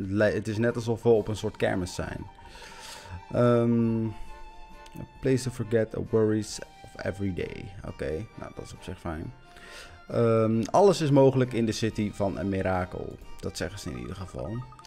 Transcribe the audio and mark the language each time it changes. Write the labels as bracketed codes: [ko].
[nl] Het is net alsof we op een soort kermis zijn. [en] A place to forget the worries of every day. [nl] Oké, nou dat is op zich fijn. Alles is mogelijk in de City van een Mirakel. Dat zeggen ze in ieder geval.